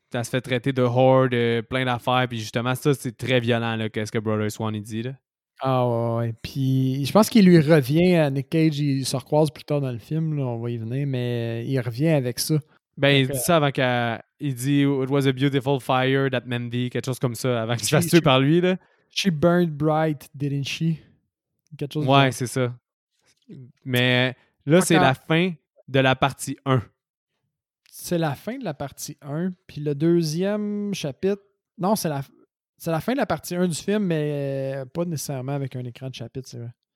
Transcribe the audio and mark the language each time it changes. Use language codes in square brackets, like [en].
[fr] Elle se fait traiter de horror, de plein d'affaires. Puis justement, ça, c'est très violent, là, qu'est-ce que Brother Swan il dit, là. Ah ouais, puis je pense qu'il lui revient à Nick Cage, il se recroise plus tard dans le film, là, on va y venir, mais il revient avec ça. Ben, il dit ça avant qu'il dit « [en] It was a beautiful fire that Mandy [fr] », quelque chose comme ça, avant qu'il se fasse tuer par lui, là. [en] « She burned bright, didn't she? » [fr] Quelque chose comme ça. Ouais, c'est ça. Mais là, c'est la fin de la partie 1. C'est la fin de la partie 1, puis le deuxième chapitre... Non, c'est la... C'est la fin de la partie 1 du film, mais pas nécessairement avec un écran de chapitre, c'est vrai.